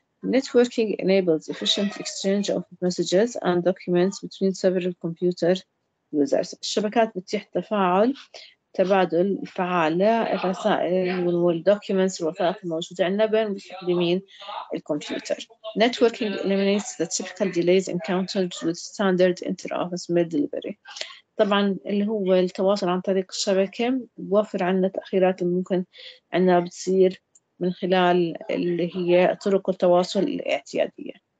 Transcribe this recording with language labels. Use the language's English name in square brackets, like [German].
[English] Networking enables efficient exchange of messages and documents between several computer users. [Arabic] الشبكات بتتيح تفاعل تبادل فعال الرسائل والدوكيومنتس والوثائق الموجودة عندنا بين مستخدمين الكمبيوتر. [English] Networking eliminates the typical delays encountered with standard inter-office mail delivery. [Arabic] طبعا اللي هو التواصل عن طريق الشبكة بوفر عنا تأخيرات اللي ممكن عنا بتصير من خلال اللي هي طرق التواصل الاعتيادية.